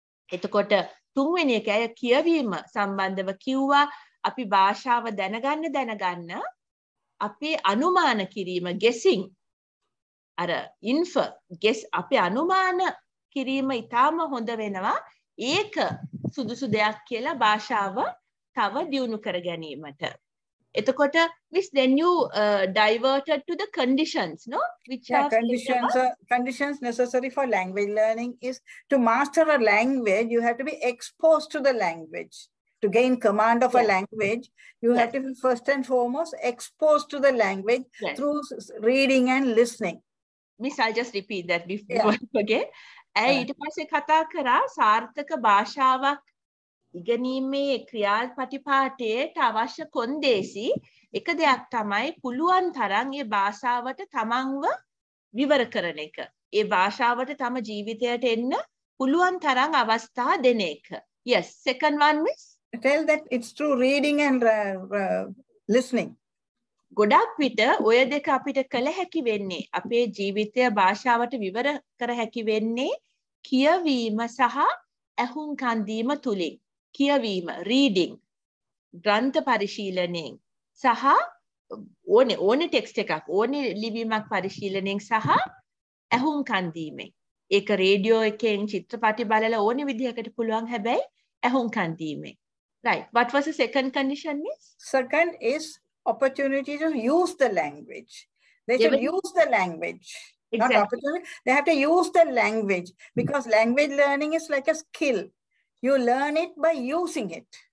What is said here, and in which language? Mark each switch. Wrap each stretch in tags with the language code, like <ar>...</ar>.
<si>එතකොට තුන්වෙනි එක ඇය කියවීම සම්බන්ධව කිව්වා අපි භාෂාව දැනගන්න අපේ අනුමාන කිරීම ගෙසින් අර ඉන්ෆ ගෙස් අපේ අනුමාන කිරීම ඉතාම හොඳ වෙනවා ඒක සුදුසු දෙයක් කියලා භාෂාව තව දියුණු කර ගැනීමට.</si> <en>එතකොට miss then you diverted to the conditions, no? Which are conditions necessary for language learning is to master a language you have to be exposed to the language. To gain command of a language, you have to be first and foremost exposed to the language through reading and listening. Miss, I'll just repeat that before I forget.</en> <si>ඇයි ඊට පස්සේ කතා කරා සාර්ථක භාෂාවක් ඉගෙනීමේ ක්‍රියාපටිපාටියට අවශ්‍ය කොන්දේසි එක දෙයක් තමයි පුළුවන් තරම් ඒ භාෂාවට තමන්ව විවර කරන එක. ඒ භාෂාවට තම ජීවිතයට එන්න පුළුවන් තරම් අවස්ථා දෙන එක.</si> <en>Yes, second one miss. Tell that it's through reading and listening.</en> <si>ගොඩක් විට ඔය දෙක අපිට කළ හැකි වෙන්නේ අපේ ජීවිතය භාෂාවට විවර කර හැකි වෙන්නේ කියවීම සහ ඇහුම්කන් දීම තුලින්. කියවීම reading, ග්‍රන්ථ පරිශීලනයෙන් සහ ඕනේ ටෙක්ස්ට් එකක් ඕනේ ලිවීමක් පරිශීලනයෙන් සහ ඇහුම්කන් දීමෙන්. ඒක රේඩියෝ එකෙන් චිත්‍රපටි බලලා ඕනේ විදිහකට පුළුවන් හැබැයි ඇහුම්කන් දීමෙන්.</si> <en>Right. What was the second condition miss? Second is opportunity to use the language. They should use the language. Exactly. Not opportunity. They have to use the language because language learning is like a skill. You learn it by using it.</en>